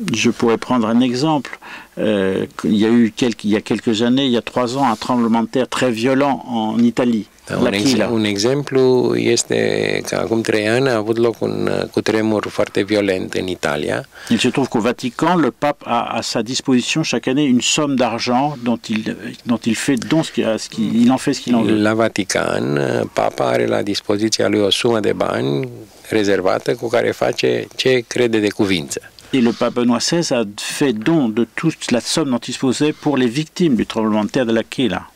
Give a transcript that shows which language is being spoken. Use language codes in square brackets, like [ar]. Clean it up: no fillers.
[fr] Je pourrais prendre un exemple. Il y a trois ans, un tremblement de terre très violent en Italie. [ro] Un exemplu este că acum trei ani a avut loc un cutremur foarte violent în Italia. [fr] Il se trouve qu'au Vatican, le pape a à sa disposition chaque année une somme d'argent dont il en fait ce qu'il en veut. [ro] La Vatican, papa are la dispoziția lui o sumă de bani rezervată cu care face ce crede de cuvință. [fr] Et le pape Benoît XVI a fait don de toute la somme dont il disposait pour les victimes du tremblement de terre de l'Aquila.